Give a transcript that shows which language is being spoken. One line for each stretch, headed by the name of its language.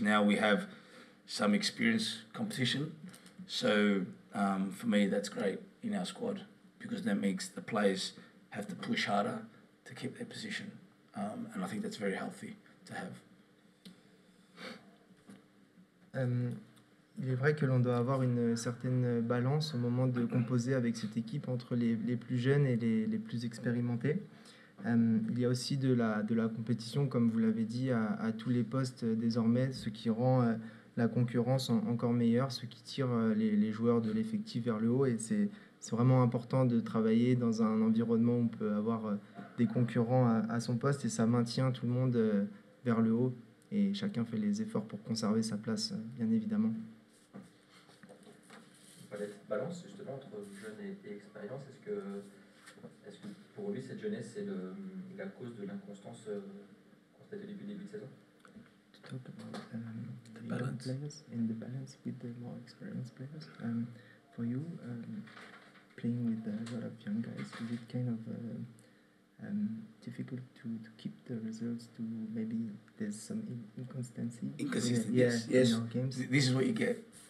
English: Now we have some experience competition, so for me that's great in our squad, because that makes the players have to push harder to keep their position, and I think that's very healthy to have.
French: Il est vrai que l'on doit avoir une certaine balance au moment de composer avec cette équipe entre les plus jeunes et les plus expérimentés. Il y a aussi de la compétition, comme vous l'avez dit, à tous les postes désormais, ce qui rend la concurrence encore meilleure, ce qui tire les joueurs de l'effectif vers le haut. Et c'est vraiment important de travailler dans un environnement où on peut avoir des concurrents à son poste, et ça maintient tout le monde vers le haut. Et chacun fait les efforts pour conserver sa place, bien évidemment. Vous parlez de balance, justement, entre jeunes et expérience. Est-ce que pour lui, cette jeunesse, c'est la cause de l'inconstance constatée depuis le début de saison?
English: To talk about the balance. Players and the balance with the more experienced players. For you, playing with a lot of young guys, is it kind of difficult to keep the results? To maybe there's some inconsistency. Inconsistency. Yes. In our games. This is what you get.